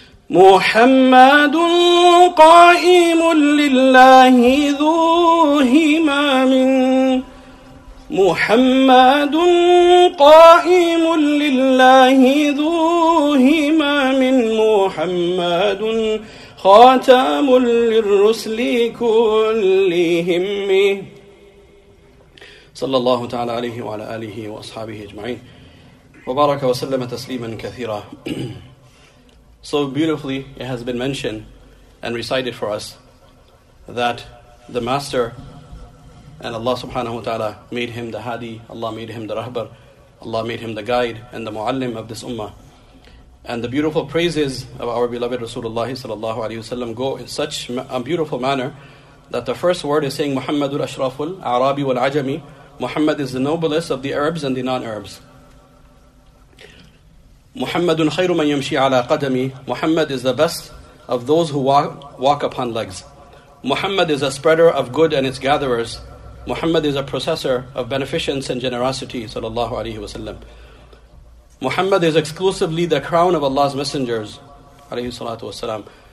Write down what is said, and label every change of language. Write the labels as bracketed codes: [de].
[ar] محمد قائم لله ذو همام محمد قائم لله ذو همام محمد خاتم للرسل كلهم صلى الله تعالى عليه وعلى آله وأصحابه أجمعين وبارك وسلم تسليما كثيرا. [en] So beautifully it has been mentioned and recited for us that the Master and Allah subhanahu wa ta'ala made him the Hadi, Allah made him the Rahbar, Allah made him the guide and the Muallim of this Ummah. And the beautiful praises of our beloved Rasulullah sallallahu alayhi wa sallam go in such a beautiful manner that the first word is saying [ar] Muhammadul Ashraful Arabi wal Ajami, [en] Muhammad is the noblest of the Arabs and the non-Arabs. [ar] محمد خير من يمشي على قدمي. [en] Muhammad is the best of those who walk upon legs. Muhammad is a spreader of good and its gatherers. Muhammad is a processor of beneficence and generosity, sallallahu alaihi wasallam. Muhammad is exclusively the crown of Allah's messengers, alayhi salatu wasalam.